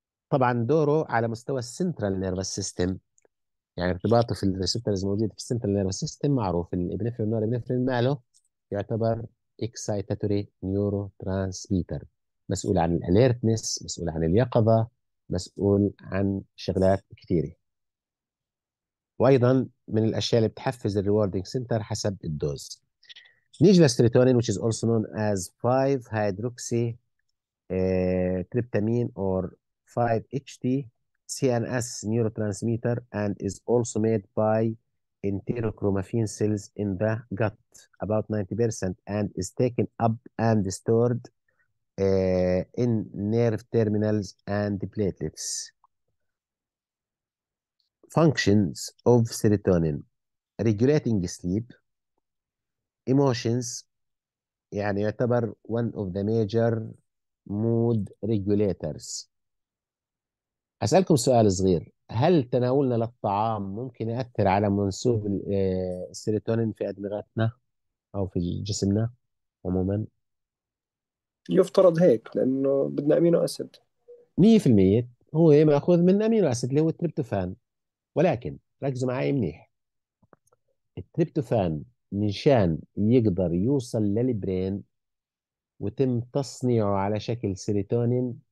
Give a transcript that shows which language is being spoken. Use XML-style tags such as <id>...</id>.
<ar>طبعا دوره على مستوى السنترال نيرفس سيستم، يعني ارتباطه في الريسبتورز الموجوده في السنترال نيرفس سيستم معروف، الابنفرين نور ابنفرين ماله؟ يعتبر اكسايتاتوري نيورو ترانسميتر، مسؤول عن الاليرتنس، مسؤول عن اليقظه، مسؤول عن شغلات كثيره. وايضا من الاشياء اللي بتحفز الريوردنج سنتر حسب الدوز. نيجي للسيروتونين</ar> <en>which is also known as 5 hydroxy tryptamine or 5 H T C N S neurotransmitter and is also made by enterochromaffin cells in the gut about 90% and is taken up and stored in nerve terminals and the platelets. Functions of serotonin: regulating sleep, emotions,</en> <ar>يعني يعتبر</ar> <en>one of the major mood regulators.</en> <ar>أسألكم سؤال صغير، هل تناولنا للطعام ممكن يؤثر على منسوب السيروتونين في أدمغتنا أو في جسمنا عموما؟ يفترض هيك لأنه بدنا أمينو أسيد. 100% هو مأخوذ من أمينو أسيد اللي هو التريبتوفان، ولكن ركزوا معي منيح، التريبتوفان منشان يقدر يوصل للبرين وتم تصنيعه على شكل سيروتونين</ar>